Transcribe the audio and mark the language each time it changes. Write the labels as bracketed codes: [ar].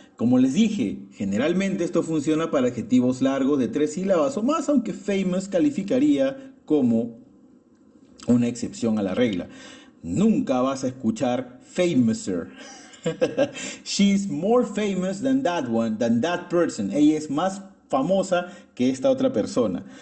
[es] Como les dije, generalmente esto funciona para adjetivos largos de tres sílabas o más, aunque famous calificaría como una excepción a la regla. Nunca vas a escuchar famouser. [en] She's more famous than that one, than that person. [es] Ella es más famosa que esta otra persona.